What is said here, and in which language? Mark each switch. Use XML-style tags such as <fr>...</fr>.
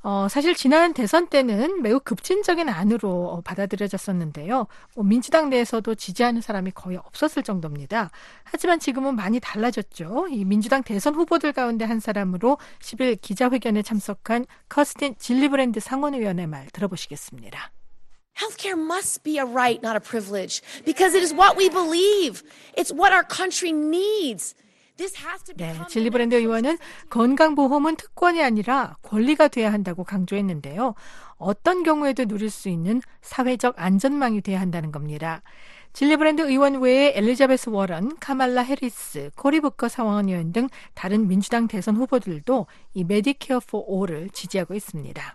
<ko>사실 지난 대선 때는 매우 급진적인 안으로 받아들여졌었는데요. 뭐 민주당 내에서도 지지하는 사람이 거의 없었을 정도입니다. 하지만 지금은 많이 달라졌죠. 이 민주당 대선 후보들 가운데 한 사람으로 10일 기자회견에 참석한 커스틴 질리브랜드 상원의원의 말 들어보시겠습니다.</ko> <en>Healthcare must be a right, not a privilege, because it is what we believe. It's what our country needs.</en> <ko>네, 질리브랜드 의원은 건강보험은 특권이 아니라 권리가 돼야 한다고 강조했는데요. 어떤 경우에도 누릴 수 있는 사회적 안전망이 돼야 한다는 겁니다. 질리브랜드 의원 외에 엘리자베스 워런, 카말라 해리스, 코리 부커 상원의원 등 다른 민주당 대선 후보들도 이 메디케어 포 올을 지지하고 있습니다.</ko>